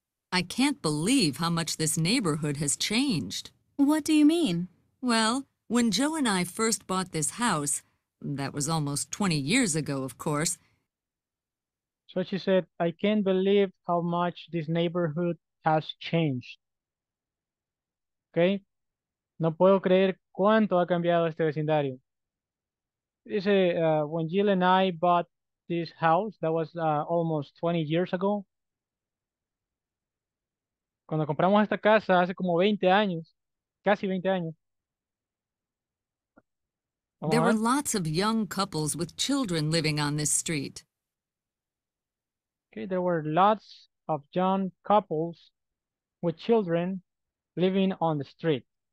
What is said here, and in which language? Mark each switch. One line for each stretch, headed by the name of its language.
English: I can't believe how much this neighborhood has changed. What do you mean? Well, when Joe and I first bought this house, that was almost 20 years ago, of course. So she said, I can't believe how much this neighborhood has changed. Okay?
Spanish: No puedo creer cuánto ha cambiado este vecindario.
English: Dice, when Jill and I bought this house, that was almost 20 years ago.
Spanish: Cuando compramos esta casa hace como 20 años, casi 20 años.
English: There were lots of young couples with children living on this street. Okay, there were lots of young couples with children living on the street.